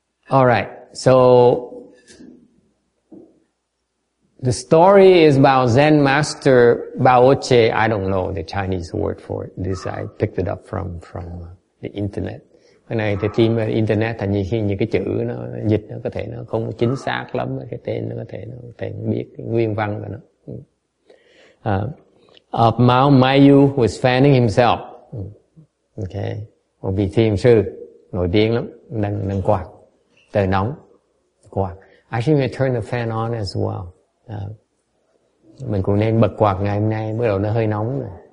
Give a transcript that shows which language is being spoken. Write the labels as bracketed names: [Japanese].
[English] All right. So the story is about Zen Master Baoche. I don't know the Chinese word for it. This I picked it up from the internet. [Vietnamese] Cái này thì tìm internet thành như khi những cái chữ nó dịch nó có thể nó không chính xác lắm, cái tên nó có thể nó không biết nguyên văn của nó. [English] Of Mao Mayu was fanning himself. Okay. [Vietnamese] Một vị thiền sư nổi tiếng lắm, đang quạt. the nóng, quạt. [English] Actually, we turn the fan on as well. [Vietnamese] Mình cũng nên bật quạt ngày hôm nay, bắt đầu nó hơi nóng rồi.